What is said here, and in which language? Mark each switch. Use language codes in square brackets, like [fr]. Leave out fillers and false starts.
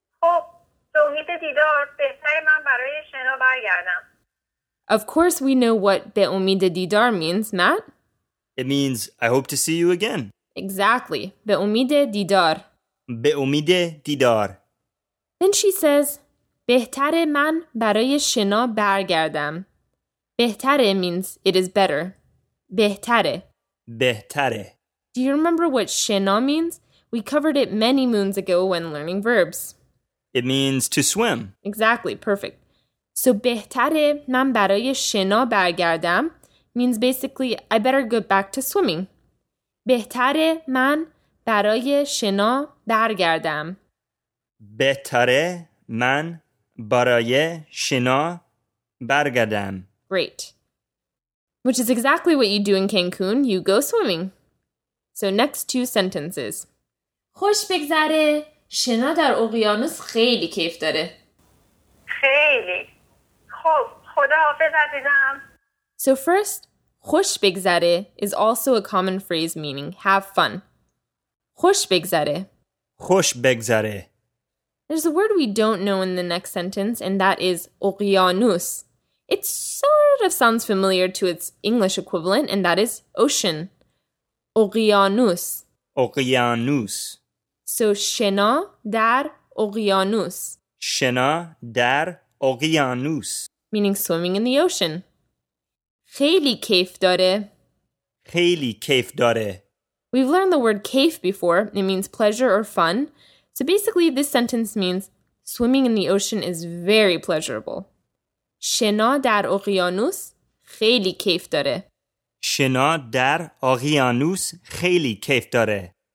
[fa] خب, امید دیدار بهتر من برای شنا برگردم. [en] Of course we know what به امید دیدار means, Matt. It means, I hope to see you again. [fa] Exactly. به امید دیدار. به امید دیدار. [en] Then she says, [fa] بهتر من برای شنا برگردم. [en] بهتره means it is better. بهتره. [fa] بهتره. [en] Do you remember what شنا means? We covered it many moons ago when learning verbs. It means to swim. Exactly, perfect. So [fa] بهتره من برای شنا برگردم [en] means basically I better go back to swimming. [fa] بهتره من برای شنا برگردم. بهتره من برای شنا برگردم. [en] Great. Which is exactly what you do in Cancun. You go swimming. So next two sentences. [fa] خوش بگذره. شنا در اقیانوس خیلی کیف داره. خیلی. خداحافظ عزیزم. [en] So first, [fa] خوش بگذره [en] is also a common phrase meaning have fun. خوش بگذره. [fa] خوش بگذره. [en] There's a word we don't know in the next sentence, and that is اقیانوس. It sort of sounds familiar to its English equivalent, and that is ocean. [fa] اقیانوس. اقیانوس. So شنا در اقیانوس. شنا در اقیانوس. [en] Meaning swimming in the ocean. [fa] خیلی کیف داره. خیلی کیف داره. [en] We've learned the word کیف before. It means pleasure or fun. So basically, this sentence means swimming in the ocean is very pleasurable. [fa] شنا در اقیانوس خیلی کیف داره. شنا در اقیانوس خیلی کیف داره.